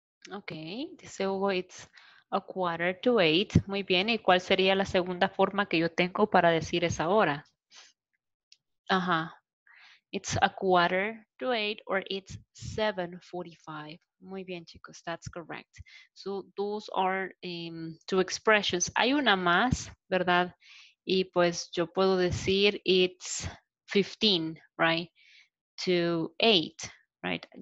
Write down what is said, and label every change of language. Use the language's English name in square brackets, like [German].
[English] Okay, dice Hugo, it's a quarter to eight. [Spanish] Muy bien, ¿y cuál sería la segunda forma que yo tengo para decir esa hora? [English] Ajá, it's a quarter to eight or it's 7:45. [Spanish] Muy bien, chicos, [English] that's correct. So those are two expressions. [Spanish] Hay una más, ¿verdad? Y pues yo puedo decir [English] it's 15, right? To eight. [Spanish] Right.